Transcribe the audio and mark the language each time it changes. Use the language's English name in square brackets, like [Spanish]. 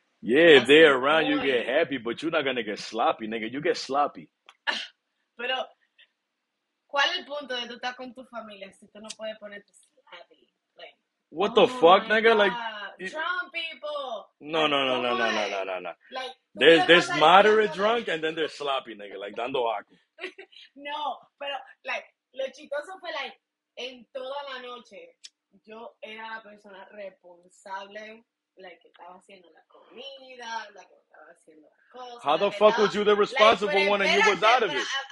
[English] Yeah, if they're around, you get happy, but you're not gonna get sloppy, nigga. You get sloppy. [Spanish] Pero, ¿cuál es el punto de tú estar con tu familia si tú no puedes ponerte sloppy? [English] Like, what the fuck, nigga? God. Like, drunk people. No. Like, there's moderate drunk and then there's sloppy, nigga. [Spanish] Like, dando aqua. No, pero, like, lo chistoso fue, like, en toda la noche, yo era la persona responsable, like, que estaba haciendo la comida, la que estaba haciendo la cosa. [English] How the fuck was you the responsible one and you was out of it?